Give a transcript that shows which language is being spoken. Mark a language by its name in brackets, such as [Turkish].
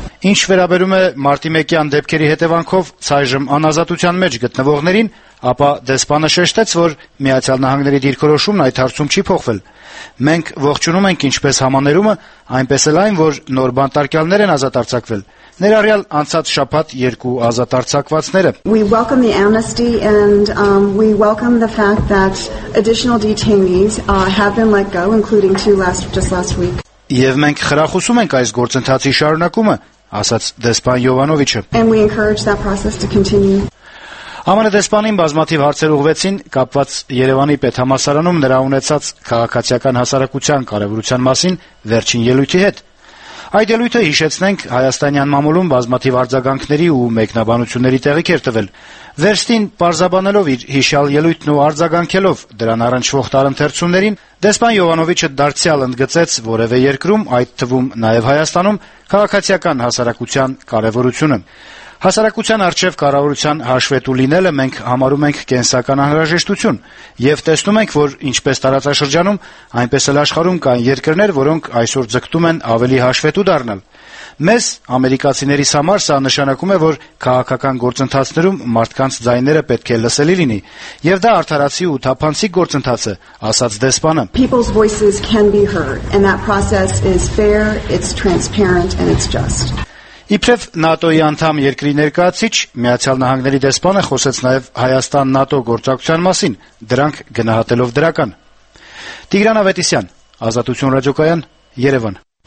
[Armenian] Ինչ վերաբերում է մարտի 1-ի դեպքերի հետևանքով ցայժմ անազատության մեջ գտնվողներին, ապա դեսպանը շեշտեց, որ Միացյալ Նահանգների դիրքորոշումն այդ հարցում չի փոխվել։ Մենք ողջունում ենք ինչպես համաներումը, այնպես էլ այն, որ նոր բանտարկյալներ են ազատ արձակվել։ Ներառյալ անցած շաբաթ երկու ազատ արձակվածները։ [English] We welcome the amnesty and we welcome the fact that additional detainees have been let go, including two just last week. [Armenian] Եվ մենք խրախուսում ենք այս գործընթացի շարունակումը, ասաց դեսպան Յովանովիչը։ [English] And we encourage that process to continue. [Armenian] ԱՄՆ դեսպանին բազմաթիվ հարցեր ուղղեցին կապված Երևանի պետհամասարանում նրա ունեցած քաղաքացիական հասարակության կարևորության մասին վերջին ելույթի հետ։ Այդ ելույթը հիշեցնենք, հայաստանյան մամուլում բազմաթիվ արձագանքների ու մեկնաբանությունների տեղի էր տվել։ Վերստին պարզաբանելով իր հիշյալ ելույթն ու արձագանքելով դրան առնչվող տարընթերցումներին, դեսպան Յովանովիչը դարձյալ ընդգծեց որևէ երկրում, այդ թվում նաև Հայաստանում, քաղաքացիական հասարակության կարևորությունը։ Հասարակության արժեվ կառավարության հաշվետու լինելը մենք համարում ենք կենսական անհրաժեշտություն եւ տեսնում ենք, որ ինչպես տարածաշրջանում, այնպես էլ աշխարհում կան երկրներ, որոնք այսօր ձգտում են ավելի հաշվետու դառնալ։ Մեզ, ամերիկացիների համար սա նշանակում է, որ քաղաքական գործընթացներում մարդկանց ձայները պետք է լսելի լինի, եւ դա արդարացի ու թափանցիկ գործընթաց է, ասաց դեսպանը։ [English] People's voices can be heard and that process is fair, it's transparent and it's just. [Armenian] Իբրև ՆԱՏՕ-ի անդամ երկրի ներկայացիչ Միացյալ Նահանգների դեսպանը խոսեց նաև Հայաստան-ՆԱՏՕ գործակցության մասին, դրանք գնահատելով դրական։ Տիգրան Ավետիսյան, Ազատություն ռադիոկայան, Երևան։